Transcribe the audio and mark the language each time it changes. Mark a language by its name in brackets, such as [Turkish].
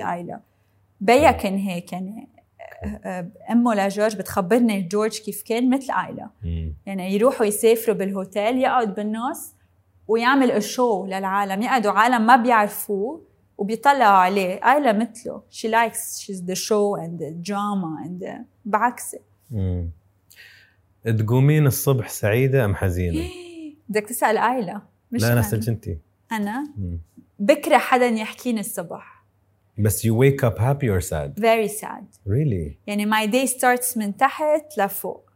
[Arabic] عيلة بيا كان هيك, يعني أمه لجورج بتخبرني جورج كيف كان مثل عيلة. يعني يروحوا يسافروا بالهوتيل, يقعد بالنص ويعمل الشو للعالم, يقعدوا عالم ما بيعرفوه وبيطلعوا عليه. أيلا مثله. [English] She likes, she's the show and the drama and the... [Arabic] بعكسه. تقومين الصبح سعيدة أم حزينة؟ بدك تسأل أيلا. لا أنا أسألك أنتي. أنا؟ بكره حدا يحكيني الصبح. [English] بس you wake up happy or sad? Very sad. Really? [Arabic] يعني [English] my day starts [Arabic] من تحت لفوق.